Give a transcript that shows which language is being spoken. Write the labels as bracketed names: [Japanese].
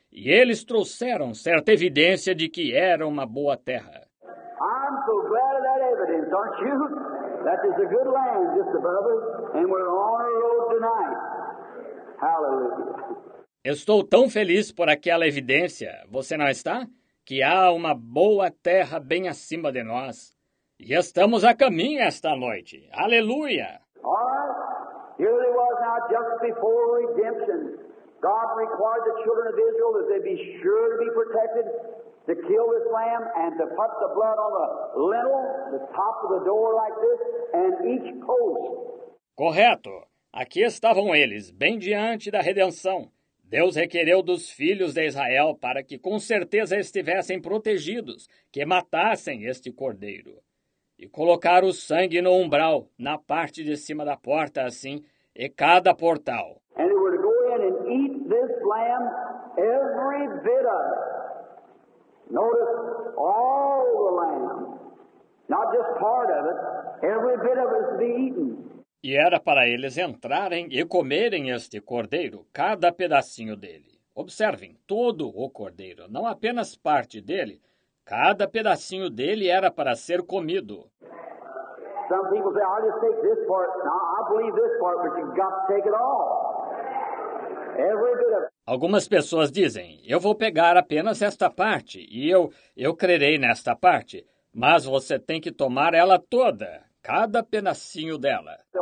[Portuguese] E eles trouxeram certa evidência de que era uma boa terra. [English] I'm so glad of that evidence, aren't you? That is a good land just above us, and we're on our road tonight. Hallelujah. [Portuguese] Estou tão feliz por aquela evidência, você não está? Que há uma boa terra bem acima de nós. E estamos a caminho esta noite. Aleluia! [English] Alright, here it was now just before redemption. God required the children of Israel that they be sure to be protected, to kill this lamb and to put the blood on the lintel, the top of the door like this, and each post. [Portuguese] Correto. Aqui estavam eles, bem diante da redenção. Deus requereu dos filhos de Israel para que com certeza estivessem protegidos, que matassem este cordeiro. E colocaram o sangue no umbral, na parte de cima da porta, assim, e cada portal. [English] And they were to go in and eat this lamb every bit of it. Notice all the lamb, not just part of it, every bit of it is to be eaten. [Portuguese] E era para eles entrarem e comerem este cordeiro, cada pedacinho dele. Observem, todo o cordeiro, não apenas parte dele, cada pedacinho dele era para ser comido. [English] Some people say, I'll just take this part. No, I believe this part, but you've got to take it all. Every bit of it. [Portuguese] Algumas pessoas dizem, eu vou pegar apenas esta parte e eu crerei nesta parte, mas você tem que tomar ela toda. Cada pedacinho dela.